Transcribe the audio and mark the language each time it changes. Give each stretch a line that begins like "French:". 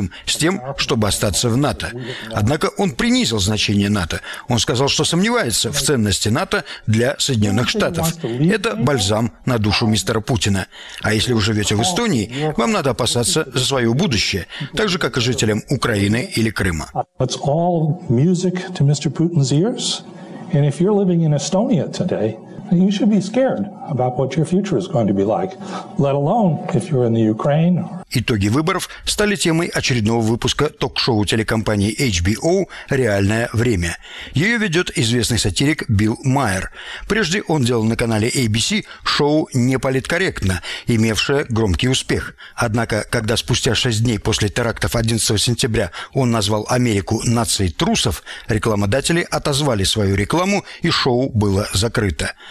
Russian: Крым с тем, чтобы остаться в НАТО. Однако он принизил значение НАТО. Он сказал, что сомневается в ценности НАТО для Соединенных Штатов. Это бальзам на душу мистера Путина. А если вы живете в Эстонии, вам надо опасаться за свое будущее, так же, как и жителям Украины или Крыма.
English: It's all music to Mr. Putin's ears. And if you're living in Estonia today, you should be scared about what your future is going to be like, let alone if you're in the Ukraine.
Russian: Итоги выборов стали темой очередного выпуска ток-шоу телекомпании HBO «Реальное время». Ее ведет известный сатирик Билл Майер. Прежде он делал на канале ABC шоу «Неполиткорректно», имевшее громкий успех. Однако, когда спустя 6 дней после терактов 11 сентября он назвал Америку «нацией трусов», рекламодатели отозвали свою рекламу, и шоу было закрыто.